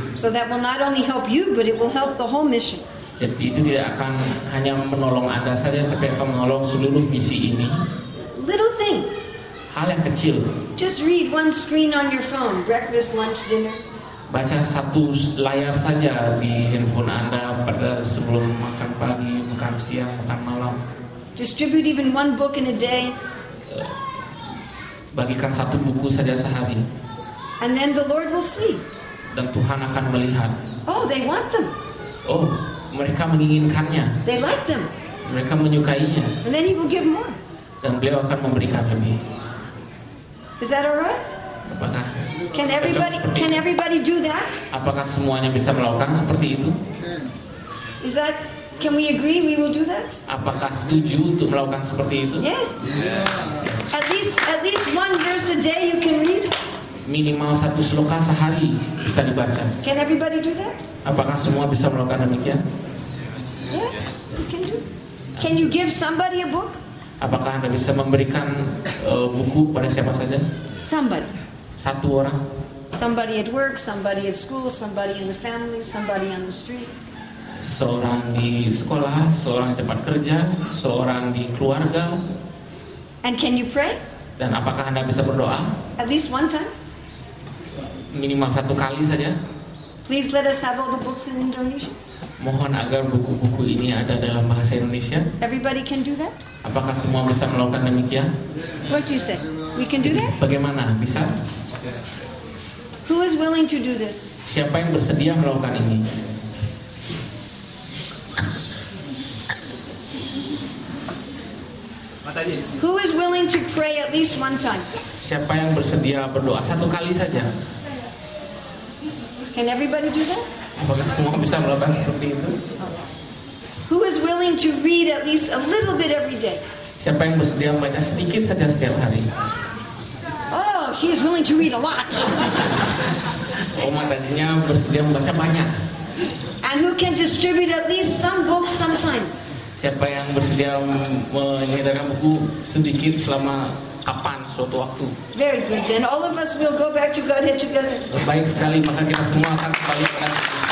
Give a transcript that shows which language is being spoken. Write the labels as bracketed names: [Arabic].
[English] So that will not only help you, but it will help the whole mission. [Indonesian] Jadi itu tidak akan hanya menolong Anda saja, tapi akan menolong seluruh misi ini. [English] Little thing. [Indonesian] Hal yang kecil. [English] Just read one screen on your phone, breakfast, lunch, dinner. [Indonesian] Baca satu layar saja di handphone Anda pada sebelum makan pagi, makan siang, makan malam. [English] Distribute even one book in a day. [Indonesian] Bagikan satu buku saja sehari. [English] And then the Lord will see. [Indonesian] Dan Tuhan akan melihat. [English] Oh, they want them. [Indonesian] Oh, mereka menginginkannya. [English] They like them. [Indonesian] Mereka menyukainya. [English] And then he will give more. [Indonesian] Dan beliau akan memberikan lebih. [English] Is that all right? [Indonesian] Apakah [English] Can everybody do that? [Indonesian] Apakah semuanya bisa melakukan seperti itu? [English] Is that, can we agree we will do that? [Indonesian] Apakah setuju untuk melakukan seperti itu? [English] Yes. Yeah. At least one verse a day you can read. [Indonesian] Minimal satu sloka sehari bisa dibaca. [English] Can everybody do that? [Indonesian] Apakah semua bisa melakukan demikian? [English] Yes. You can do. Can you give somebody a book? [Indonesian] Apakah Anda bisa memberikan buku pada siapa saja? [English] Somebody. [Indonesian] Satu orang. [English] Somebody at work, somebody at school, somebody in the family, somebody on the street. [Indonesian] Seorang di sekolah, seorang di tempat kerja, seorang di keluarga. [English] And can you pray? [Indonesian] Dan apakah Anda bisa berdoa? [English] At least one time. [Indonesian] Minimal satu kali saja. [English] Please let us have all the books in Indonesian. [Indonesian] Mohon agar buku-buku ini ada dalam bahasa Indonesia. [English] Everybody can do that? [Indonesian] Apakah semua bisa melakukan demikian? [English] What you say? We can do that? [Indonesian] Bagaimana? Bisa? [English] Who is willing to do this? [Indonesian] Siapa yang bersedia melakukan ini? [English] Who is willing to pray at least one time? [Indonesian] Siapa yang bersedia berdoa satu kali saja? [English] Can everybody do that? [Indonesian] Apakah semua bisa melakukan seperti itu? [English] Who is willing to read at least a little bit every day? [Indonesian] Siapa yang bersedia membaca sedikit saja setiap hari? [English] Oh, she is willing to read a lot. [Indonesian] Oh, Matajinya bersedia membaca banyak. [English] And who can distribute at least some books sometime? [Indonesian] Siapa yang bersedia menyediakan buku sedikit selama kapan suatu waktu? [English] Very good. Then all of us will go back to Godhead together. [Indonesian] Baik sekali, maka kita semua akan kembali ke Godhead.